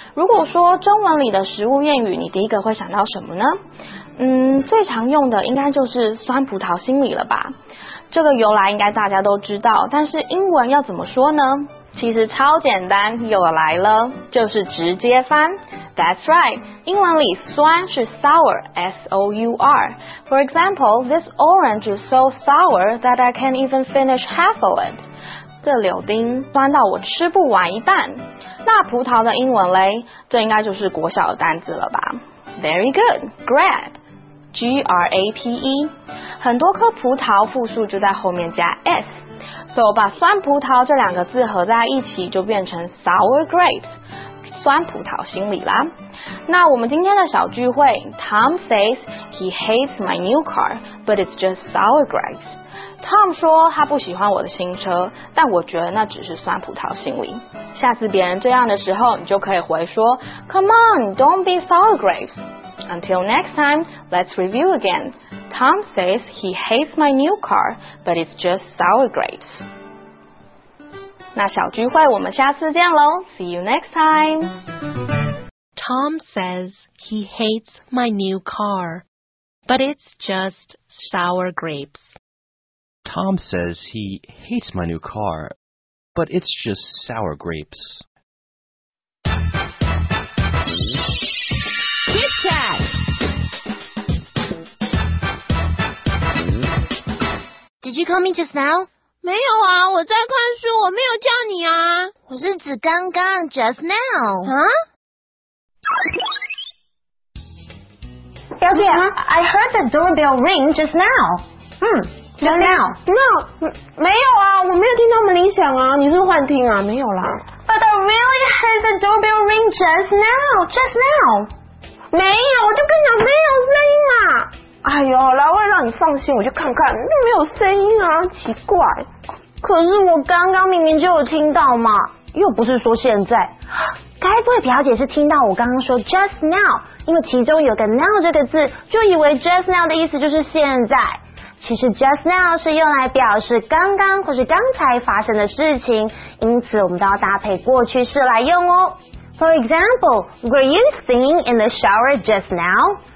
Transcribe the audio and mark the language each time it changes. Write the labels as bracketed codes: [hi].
[zh] 如果说中文里的食物谚语，你第一个会想到什么呢？最常用的应该就是酸葡萄心理了吧。这个由来应该大家都知道，但是英文要怎么说呢？其实超简单，又来了，就是直接翻。 [en] That's right, [zh] 英文里酸是 sour, S-O-U-R. [en] For example, this orange is so sour that I can't even finish half of it. [zh] 这柳丁酸到我吃不完一半。那葡萄的英文嘞，这应该就是国小的单字了吧。 [en] Very good, grape, G-R-A-P-E. [zh] 很多颗葡萄复数就在后面加 S. So, 把酸葡萄这两个字合在一起就变成 sour grapes, 酸葡萄心理啦。那我们今天的小聚会， [en] Tom says he hates my new car, but it's just sour grapes. [zh] Tom 说他不喜欢我的新车，但我觉得那只是酸葡萄心理。下次别人这样的时候，你就可以回说 [en] Come on, don't be sour grapes. Until next time, let's review again. Tom says he hates my new car, but it's just sour grapes. [zh] 那小聚会我们下次见咯。 [en] See you next time. Tom says he hates my new car, but it's just sour grapes. Tom says he hates my new car, but it's just sour grapes. Kit Kat! Did you call me just now? [zh] 没有啊，我在看书，我没有叫你啊。我是指刚刚 just now. Huh? [en] Yeah, yeah, I heard the doorbell ring just now. Just now. [zh] No, 没有啊，我没有听到门铃响啊，你是幻听啊，没有啦。 [en] But I really heard the doorbell ring just now, just now. [zh] 没有，我就跟你讲没有声音嘛。哎呦，老魏让你放心，我去看看，又没有声音啊，奇怪。可是我刚刚明明就有听到嘛，又不是说现在。该不会表姐是听到我刚刚说 just now， 因为其中有个 now 这个字，就以为 just now 的意思就是现在。其实 just now 是用来表示刚刚或是刚才发生的事情，因此我们都要搭配过去式来用哦。 [en] For example, were you singing in the shower just now?